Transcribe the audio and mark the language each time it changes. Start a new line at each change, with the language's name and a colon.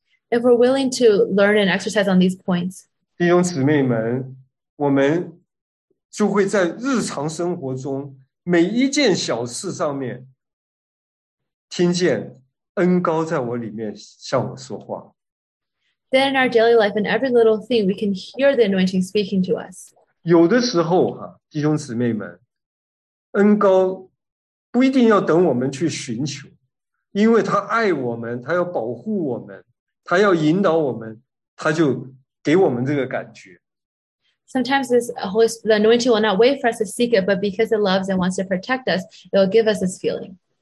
English: if we're willing to learn and exercise on these points,
Chinese: 弟兄姊妹们, 我们就会在日常生活中, 每一件小事上面, 听见恩膏在我里面向我说话。
English: Then in our daily life, in every little thing, we can hear the anointing speaking to us.
Chinese: 有的时候, 弟兄姊妹们, 恩膏不一定要等我们去寻求, 因为他爱我们, 他要保护我们, 他要引导我们, 他就给我们这个感觉。
English: Sometimes this Holy Spirit, the anointing will not wait for us to seek it, but because it loves and wants to protect us, it will give us this feeling.